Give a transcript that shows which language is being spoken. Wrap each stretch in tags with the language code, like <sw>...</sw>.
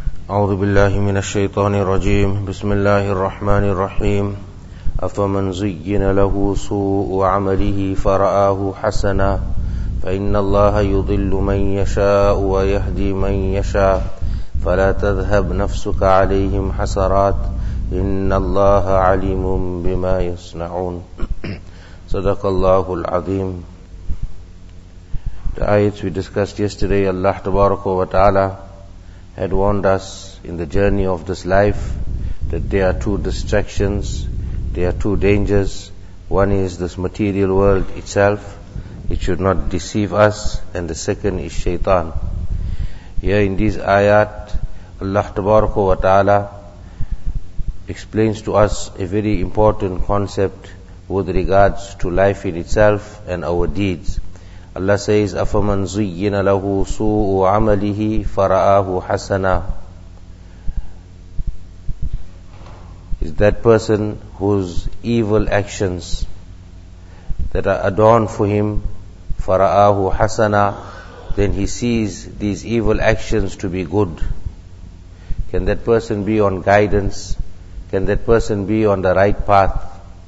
<ar>أعوذ بالله من الشيطان الرجيم بسم الله الرحمن الرحيم أفمن زين له سوء عمله فرآه حسنا فإن الله يضل من يشاء ويهدي من يشاء فلا تذهب نفسك عليهم حسرات إن الله عليم بما يصنعون صدق الله العظيم.</ar> <en>The ayats we discussed yesterday, Allah tabaraka wa ta'ala had warned us in the journey of this life that there are two distractions, there are two dangers. One is this material world itself, it should not deceive us, and the second is shaitan. Here in these ayat, Allah tabaraka wa ta'ala explains to us a very important concept with regards to life in itself and our deeds. Allah says,</en> <ar>أَفَمَنْ زُيِّنَ لَهُ سُوءُ عَمَلِهِ فَرَآهُ حَسَنًا.</ar> <en>Is that person whose evil actions that are adorned for him,</en> <ar>فَرَآهُ حَسَنًا,</ar> <en>then he sees these evil actions to be good. Can that person be on guidance? Can that person be on the right path?</en>